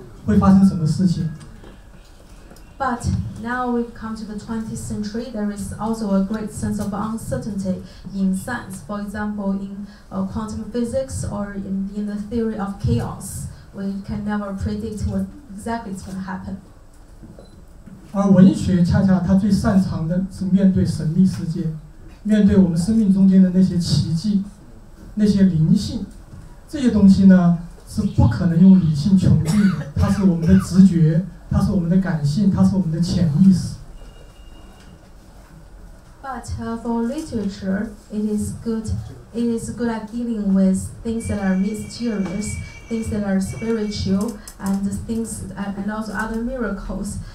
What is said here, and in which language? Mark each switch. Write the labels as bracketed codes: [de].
[zh] 量子力学里面的测不准原理，比方说20世纪末出现了混沌学，也就是说我们天气预报你不可能有长期天气预报，你永远不会预见会发生什么事情。But [en] now we've come to the 20th century, there is also a great sense of uncertainty in science. For example, in quantum physics or in the theory of chaos, we can never predict what exactly is going to happen. [zh] 而文学恰恰它最擅长的是面对神秘世界，面对我们生命中间的那些奇迹、那些灵性，这些东西呢是不可能用理性穷尽的，它是我们的直觉，它是我们的感性，它是我们的潜意识。But [en] for literature, it is good at dealing with things that are mysterious, things that are spiritual, and things and also other miracles.